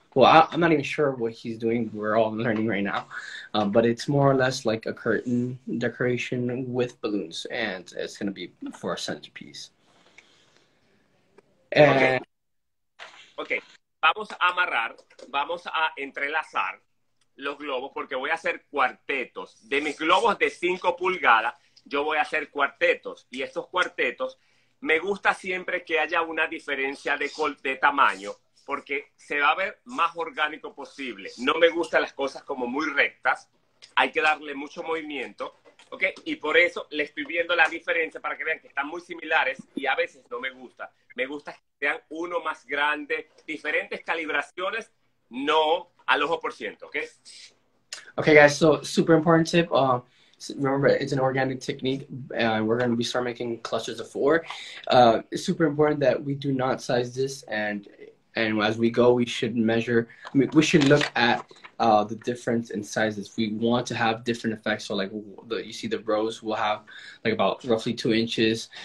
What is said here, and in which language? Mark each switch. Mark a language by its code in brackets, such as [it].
[en] I'm not even sure what he's doing. We're all learning right now. But it's more or less like a curtain decoration with balloons, and it's going to be for a centerpiece. Okay. [es] Vamos a amarrar, vamos a entrelazar los globos, porque voy a hacer cuartetos. De mis globos de 5 pulgadas, yo voy a hacer cuartetos. Y estos cuartetos, me gusta siempre que haya una diferencia de tamaño, porque se va a ver más orgánico posible. No me gustan las cosas como muy rectas. Hay que darle mucho movimiento, ¿ok? Y por eso le estoy viendo la diferencia para que vean que están muy similares y a veces no me gusta. Me gusta que sean uno más grande, diferentes calibraciones, no al ojo por ciento, ¿ok? [en] Okay, guys, so super important tip. Remember, it's an organic technique, and we're going to start making clusters of 4. It's super important that we do not size this, and as we go, we should measure, I mean, we should look at the difference in sizes. We want to have different effects. So like you see the rose will have like about roughly 2 inches.